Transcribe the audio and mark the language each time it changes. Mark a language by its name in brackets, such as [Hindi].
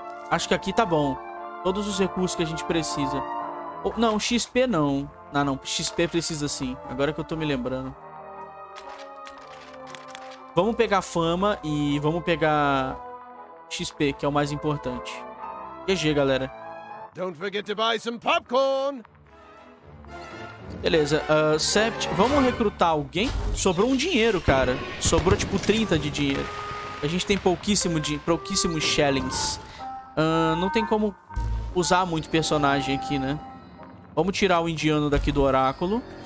[Portuguese] Acho que aqui tá bom. Todos os recursos que a gente precisa. Oh, não, XP não. Ah, não. XP precisa sim. Agora que eu tô me lembrando. Vamos pegar fama e vamos pegar XP, que é o mais importante. GG, galera. [English] Don't forget to buy some popcorn! [Portuguese] Beleza, Sept, vamos recrutar alguém? Sobrou um dinheiro, cara. Sobrou tipo 30 de dinheiro. A gente tem pouquíssimos shillings. Não tem como usar muito personagem aqui, né? Vamos tirar o indiano daqui do oráculo.